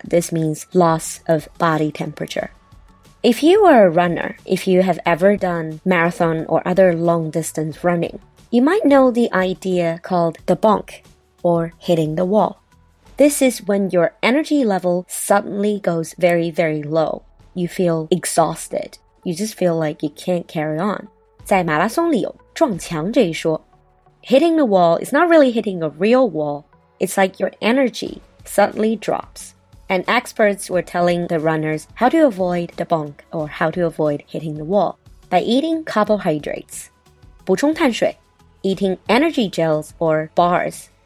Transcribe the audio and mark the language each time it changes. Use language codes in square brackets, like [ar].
[en] This means loss of body temperature. If you are a runner, if you have ever done marathon or other long distance running, you might know the idea called the bonk or hitting the wall. This is when your energy level suddenly goes very, very low. You feel exhausted. You just feel like you can't carry on. [zh] 在马拉松里有撞墙这一说。 [en] Hitting the wall is not really hitting a real wall,It's like your energy suddenly drops. And experts were telling the runners how to avoid the bonk or how to avoid hitting the wall by eating carbohydrates. [zh] 补充碳水 [en] Eating energy gels or bars.